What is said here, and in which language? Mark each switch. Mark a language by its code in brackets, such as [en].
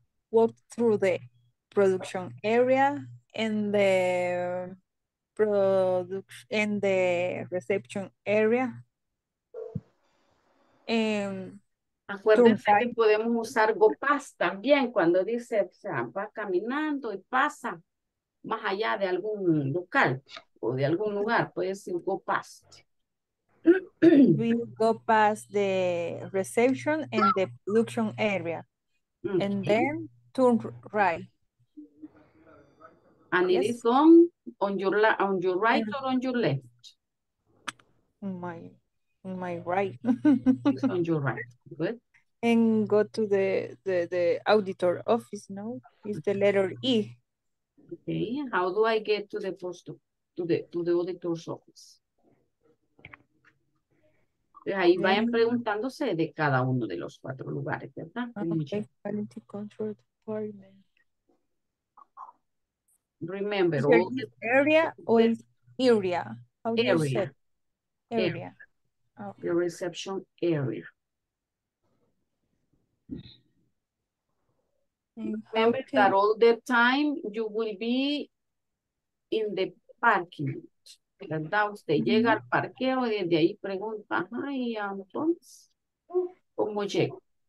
[en] Walk through the production area and the production and the reception area. And [es] acuérdense que podemos usar [en] go past [es] también cuando dice, o sea, va caminando y pasa más allá de algún local o de algún lugar, puede decir go past. [en] We go past the reception and the production area. Okay. And then turn right. And yes. It is on your right or on your left? My right. It's on your right. Good. And go to the auditor office, no? It's the letter E. Okay, how do I get to the post to the auditor's office? [es] Ahí vayan preguntándose de cada uno de los cuatro lugares, ¿verdad? [en] Okay, quality control department. Remember, all the area or area? How do area. You say? Area. Area. Okay. The reception area. Remember okay. That all the time you will be in the parking lot. [es] ¿Verdad? Usted llega al parqueo y desde ahí pregunta, ay, entonces, ¿cómo llego?